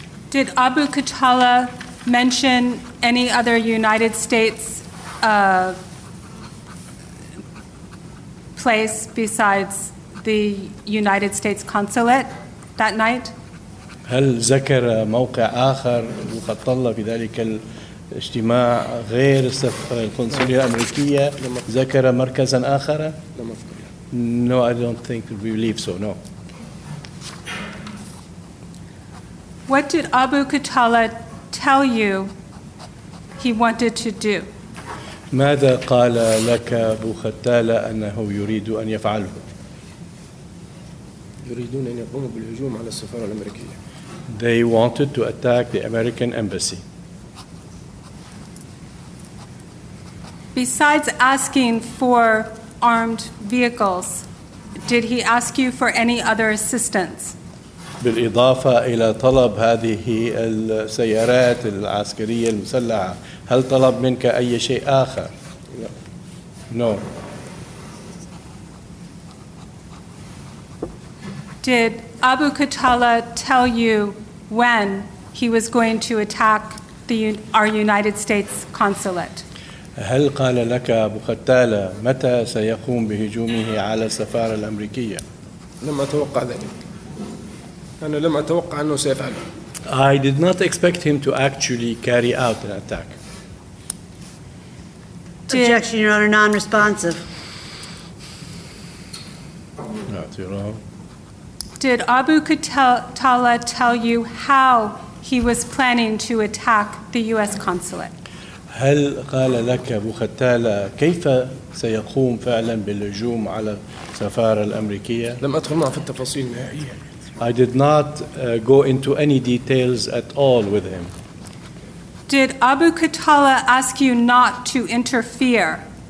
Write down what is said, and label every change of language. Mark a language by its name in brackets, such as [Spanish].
[English] Did Abu Ghatala mention any other United States place besides the United States consulate that night? [Arabic] هل ذكر موقع آخر وخطلا في ذلك الاجتماع غير القنصلية الأمريكية ذكر مركزا آخر؟ [English] No, I don't think we believe so, no. What did Abu Ghatala tell you he wanted to do? [Arabic] ماذا قال لك أبو ختالة أنه يريد أن يفعله؟ يريدون أن يقوموا بالهجوم على السفارة الأمريكية. [English] They wanted to attack the American embassy. Besides asking for armed vehicles, did he ask you for any other assistance? [Arabic] بالإضافة إلى طلب هذه السيارات العسكرية المسلحة، هل طلب منك أي شيء آخر؟ [English] No. Did Abu Qatala tell you when he was going to attack our United States consulate? [Arabic] هل قال لك أبو قتالة متى سيقوم بهجومه على السفارة الأمريكية؟ لم أتوقع ذلك. أنا لم أتوقع أنه سيفعل. [English] I did not expect him to actually carry out an attack. Objection, Your Honor, non-responsive. Not at all. Did Abu Qatala tell you how he was planning to attack the U.S. consulate? [Arabic] هل قال لك أبو قتالة كيف سيقوم فعلا بالهجوم على السفارة الأمريكية؟ لم أدخل معه في التفاصيل النهائية. [English] I did not go into any details at all with him. Did Abu Qatala ask you not to interfere?